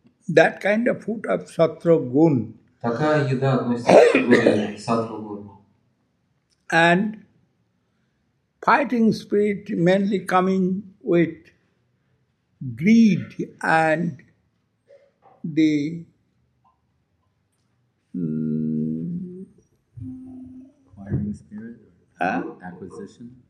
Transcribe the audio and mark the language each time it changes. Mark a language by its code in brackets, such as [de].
[en] That kind of food of sattva gun. [ru] Такая еда относится к сатва гуну. [en] And fighting spirit mainly coming with greed and the acquiring spirit, acquisition,